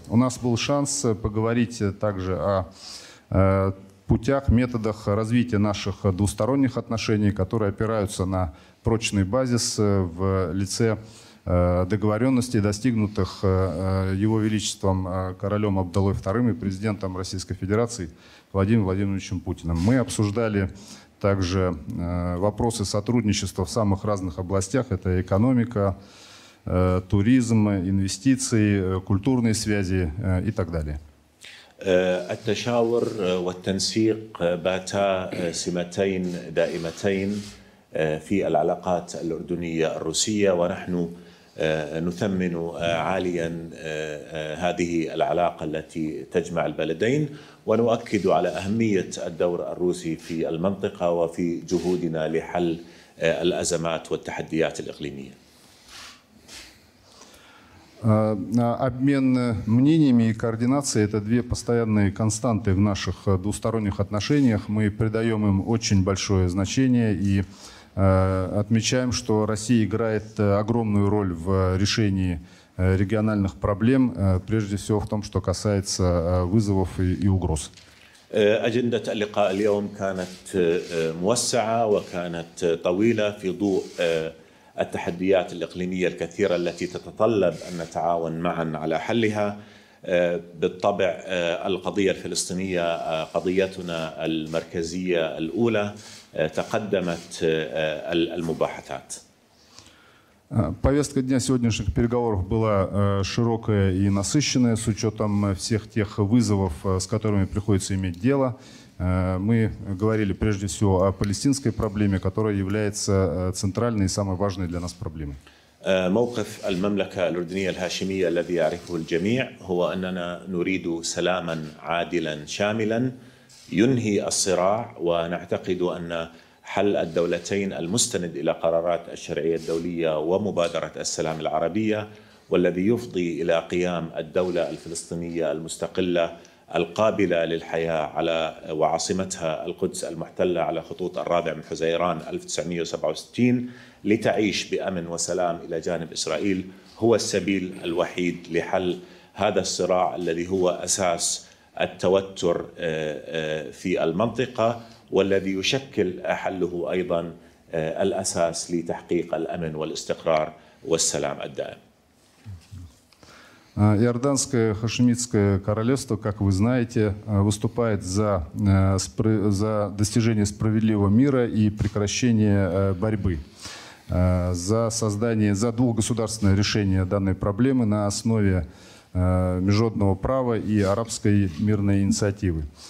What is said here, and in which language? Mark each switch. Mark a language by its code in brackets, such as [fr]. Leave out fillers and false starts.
[ru] У нас был шанс поговорить также о путях, методах развития наших двусторонних отношений, которые опираются на прочный базис в лице договоренностей, достигнутых Его Величеством королем Абдаллой II и президентом Российской Федерации Владимиром Владимировичем Путиным. Мы обсуждали также вопросы сотрудничества в самых разных областях. Это экономика, туризм, инвестиции, культурные связи и так далее. [ar] التشاور والتنسيق باتا سمتين دائمتين في العلاقات الأردنية الروسية ونحن نثمن عاليا هذه العلاقة التي تجمع البلدين ونؤكد على أهمية الدور الروسي في المنطقة وفي جهودنا لحل الأزمات والتحديات الإقليمية. [ru] Обмен мнениями и координация – это две постоянные константы в наших двусторонних отношениях. Мы придаем им очень большое значение и отмечаем, что Россия играет огромную роль в решении региональных проблем, прежде всего в том, что касается вызовов и угроз. [ar] أجندة اللقاء اليوم كانت موسعة وكانت طويلة في ضوء التحديات الإقليمية الكثيرة التي تتطلب أن نتعاون معا على حلها. بالطبع القضية الفلسطينية قضيتنا المركزية الأولى. تقدمت المباحثات. [ru] Повестка дня сегодняшних переговоров была широкая и насыщенная с учетом всех тех вызовов, с которыми приходится иметь дело. Мы говорили прежде всего о палестинской проблеме, которая является центральной и самой важной для нас проблемой. [ar] موقف المملكة الأردنية الهاشمية الذي يعرفه الجميع هو أننا نريد سلاما عادلا شاملا ينهي الصراع ونعتقد أن حل الدولتين المستند إلى قرارات الشرعية الدولية ومبادرة السلام العربية والذي يفضي إلى قيام الدولة الفلسطينية المستقلة القابلة للحياة على وعاصمتها القدس المحتلة على خطوط الرابع من حزيران 1967 لتعيش بأمن وسلام إلى جانب إسرائيل هو السبيل الوحيد لحل هذا الصراع الذي هو أساس التوتر في المنطقة والذي يشكل حله أيضا الأساس لتحقيق الأمن والاستقرار والسلام الدائم. [ru] Иорданское Хашимитское королевство, как вы знаете, выступает за достижение справедливого мира и прекращение борьбы, за создание, за двухгосударственное решение данной проблемы на основе международного права и арабской мирной инициативы.